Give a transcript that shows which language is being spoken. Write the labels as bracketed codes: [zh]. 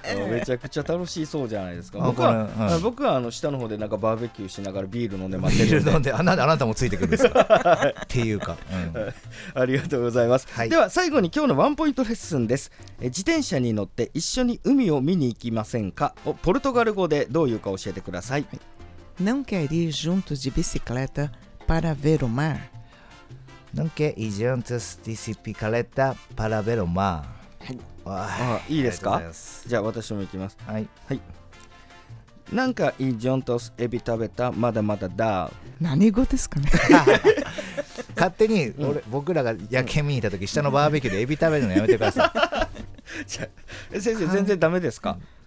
[ja] めちゃくちゃ楽しそうじゃないですか。僕 は、はい、僕はあの下の方でなんかバーベキューしながらビール飲んで待ってるんで、ビール飲んで、あなたもついてくるんですかっていうか、うん、ありがとうございます、はい。では最後に今日のワンポイントレッスンです。自転車に乗って一緒に海を見に行きませんか、をポルトガル語でどういうか教えてください。 [pt] Não quer ir junto de bicicleta para ver o mar? Não quer ir junto de bicicleta para ver o mar? [ja] はい、ああいいですか。じゃあ私も行きます。はいはい。なんかイジョントスエビ食べた、まだまだだ。何語ですかね。勝手に俺、うん、僕らが夜景見に行った時、下のバーベキューでエビ食べるのやめてください。先生全然ダメですか。